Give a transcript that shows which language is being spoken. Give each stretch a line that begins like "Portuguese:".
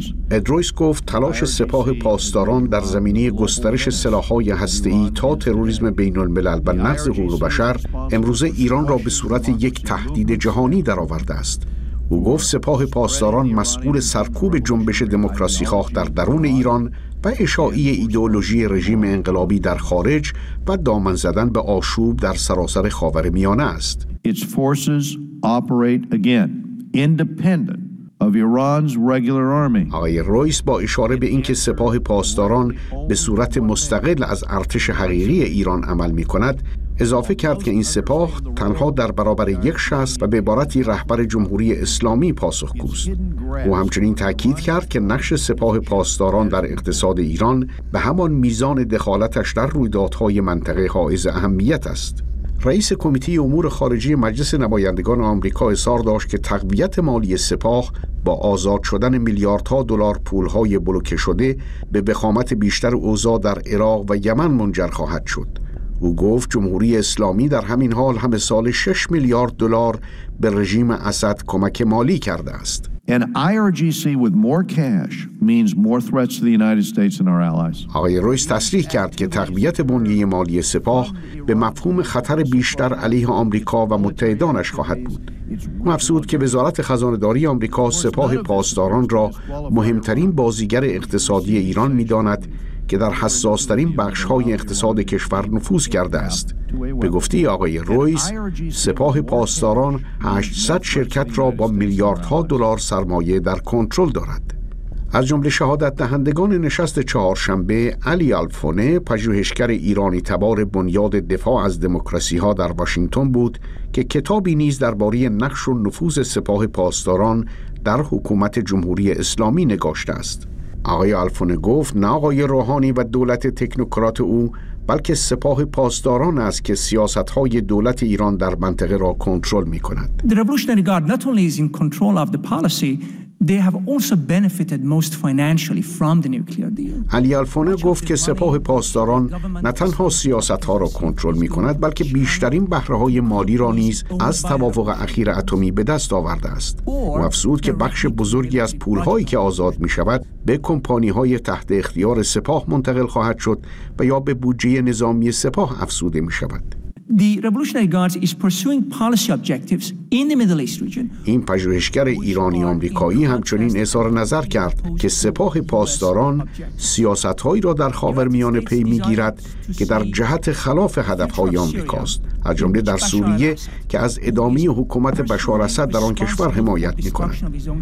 Persian: ادرویس گفت تلاش سپاه پاسداران در زمینه گسترش سلاح‌های هسته‌ای تا تروریسم بین‌الملل و نقض حقوق بشر امروزه ایران را به صورت یک تهدید جهانی درآورده است. او گفت سپاه پاسداران مسئول سرکوب جنبش دموکراسی خواه در درون ایران و اشاعه ایدئولوژی رژیم انقلابی در خارج و دامن زدن به آشوب در سراسر خاورمیانه است.
English: Its forces operate again independent of Iran's regular army.
Persian: آقای رویس با اشاره به اینکه سپاه پاسداران به صورت مستقل از ارتش حقیقی ایران عمل می‌کند، اضافه کرد که این سپاه تنها در برابر یک شخص و به عبارتی رهبر جمهوری اسلامی پاسخگوست. او همچنین تاکید کرد که نقش سپاه پاسداران در اقتصاد ایران به همان میزان دخالتش در رویدادهای منطقه حائز اهمیت است. رئیس کمیته امور خارجی مجلس نمایندگان آمریکا اصرار داشت که تقویت مالی سپاه با آزاد شدن میلیاردها دلار پولهای بلوکه شده به وخامت بیشتر اوضاع در عراق و یمن منجر خواهد شد. او گفت جمهوری اسلامی در همین حال هم سال 6 میلیارد دلار به رژیم اسد کمک مالی کرده است.
English: An IRGC with more cash means more threats to the United States and our allies.
Persian: آقای رویس تصریح کرد که تقویت بنیه مالی سپاه به مفهوم خطر بیشتر علیه آمریکا و متحدانش خواهد بود. مفسود که وزارت خزانه‌داری آمریکا سپاه پاسداران را مهمترین بازیگر اقتصادی ایران می‌داند که در حساس‌ترین بخش‌های اقتصاد کشور نفوذ کرده است. به گفته آقای رویس، سپاه پاسداران 800 شرکت را با میلیاردها دلار سرمایه در کنترل دارد. از جمله شهادت دهندگان نشست چهارشنبه، علی الفونه، پژوهشگر ایرانی تبار بنیاد دفاع از دموکراسی‌ها در واشنگتن بود که کتابی نیز درباره نقش و نفوذ سپاه پاسداران در حکومت جمهوری اسلامی نگاشته است. آقای الفونه گفت نه آقای روحانی و دولت تکنوکرات او، بلکه سپاه پاسداران است که سیاست‌های دولت ایران در منطقه را کنترل می‌کند.
English: The Revolutionary Guard not only is in control of the policy, they have also benefited most financially from the nuclear deal.
Persian: علی الفونه گفت که سپاه پاسداران نه تنها سیاست‌ها را کنترل می‌کند، بلکه بیشترین بهره‌های مالی را نیز از توافق اخیر اتمی به دست آورده است. او افزود که بخش بزرگی از پول‌هایی که آزاد می‌شود به کمپانی‌های تحت اختیار سپاه منتقل خواهد شد و یا به بودجه نظامی سپاه افزوده می‌شود.
English: The Revolutionary Guards is pursuing policy objectives in the Middle East region.
Persian: این پژوهشگر ایرانی آمریکایی همچنین اظهار نظر کرد که سپاه پاسداران سیاست‌هایی را در خاورمیانه پی می‌گیرد که در جهت خلاف هدف‌های آمریکاست، از جمله در سوریه که از ادامه حکومت بشار اسد در آن کشور حمایت می‌کند.